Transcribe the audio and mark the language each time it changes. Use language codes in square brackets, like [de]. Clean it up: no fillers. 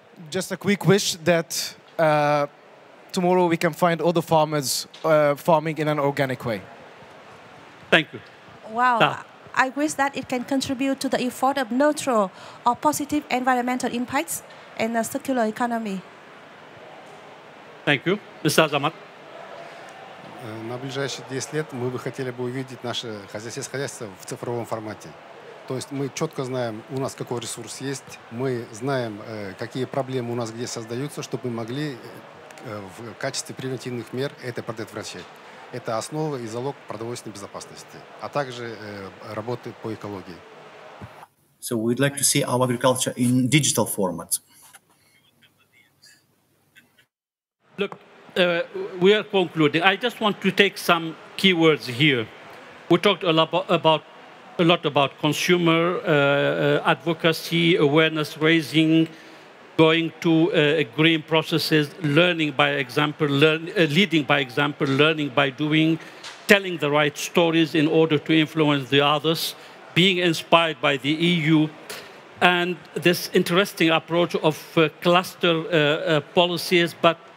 [en] Just a quick wish that tomorrow we can find all the farmers farming in an organic way. Thank you. Wow. I wish that it can contribute to the effort of neutral or positive environmental impacts in a circular economy. Thank you. Mr. Azamat. [ru] На ближайшие 10 лет мы бы хотели бы увидеть наше сельское хозяйство в цифровом формате. То есть мы четко знаем, у нас какой ресурс есть, мы знаем, какие проблемы у нас где создаются, чтобы мы могли в качестве превентивных мер это предотвращать. Это основа и залог продовольственной безопасности, а также работы по экологии. [en] So we'd like to see our agriculture in digital format. Look, we are concluding. I just want to take some key words here. We talked a lot about consumer advocacy, awareness raising, going to green processes, learning by example, leading by example, learning by doing, telling the right stories in order to influence the others, being inspired by the EU, and this interesting approach of cluster policies, but